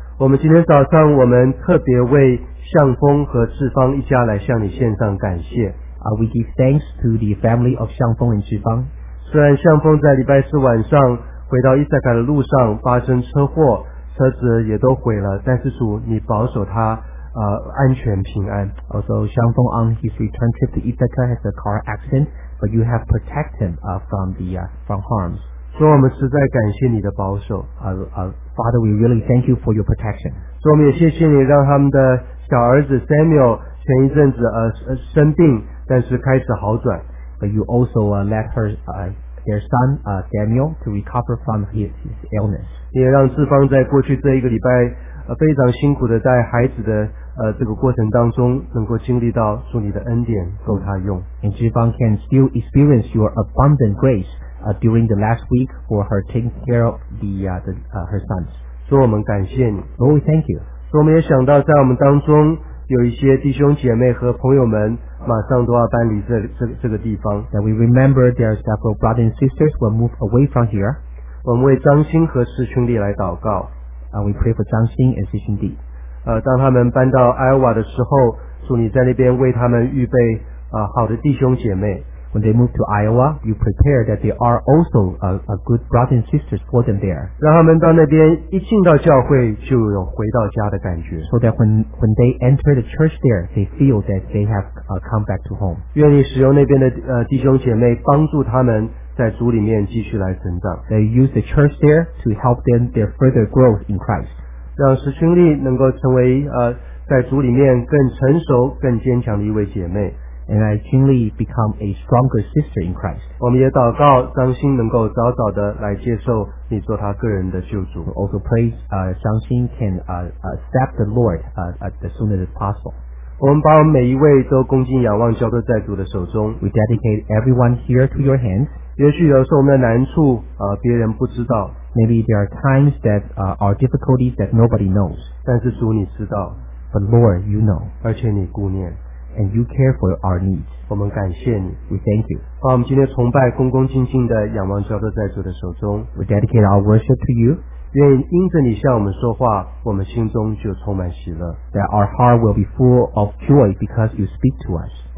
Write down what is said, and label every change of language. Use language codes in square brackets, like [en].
[zh] 我们今天早上我们特别为向峰和志芳一家来向你献上感谢。 [en] We give thanks to the family of 向峰 and 志芳。 [zh] 虽然向峰在礼拜四晚上回到伊萨卡的路上发生车祸，车子也都毁了，但是主你保守他安全平安。 [en] Also, 向峰 on his return trip to Ithaca has a car accident, but you have protected him from harms. [zh] 所以我们实在感谢你的保守。 [en] Father, we really thank you for your protection. [zh] 所以我们也谢谢你让他们的小儿子 Samuel 前一阵子生病，但是开始好转。 [en] But you also let their son Samuel to recover from his illness. [zh] 也让志芳在过去这一个礼拜非常辛苦的带孩子的这个过程当中能够经历到主你的恩典够他用。 [en] And 志芳 can still experience your abundant grace. During the last week for her taking care of her sons. So we thank you. Lord, we thank you. So we also think that in our midst, there are some brothers and sisters and friends who are about to leave this place. That we remember there are several brothers and sisters who will move away from here. We pray for Zhang Xin and Shi Chun-Li. We pray for Zhang Xin and Shi Chun-Li. When they move to Iowa, Lord, you are there to prepare good brothers and sisters. When they move to Iowa, you prepare that there are also a good brothers and sisters for them there. [zh] 让他们到那边一进到教会就有回到家的感觉。 [en] So that when they enter the church there, they feel that they have come back to home. [zh] 愿你使用那边的弟兄姐妹帮助他们在主里面继续来成长。 [en] They use the church there to help them their further growth in Christ. [zh] 让石群丽能够成为在主里面更成熟、更坚强的一位姐妹。 [en] And I truly become a stronger sister in Christ. [zh] 我们也祷告张欣能够早早的来接受你做他个人的救主。 [en] We also pray张欣 can accept the Lord as soon as possible. [zh] 我们把我们每一位都恭敬仰望交托在主的手中。 [en] We dedicate everyone here to your hands. [zh] 也许有时候我们的难处别人不知道。 [en] Maybe there are times that are difficulties that nobody knows. [zh] 但是主你知道。 [en] But Lord, you know. [zh] 而且你顾念。 [en] And you care for our needs. [zh] 我们感谢你。 [en] We thank you. [zh] 把我们今天崇拜恭恭敬敬的仰望交托在主的手中。 [en] We dedicate our worship to you. [zh] 愿因着你向我们说话，我们心中就充满喜乐。 [en] That our heart will be full of joy because you speak to us.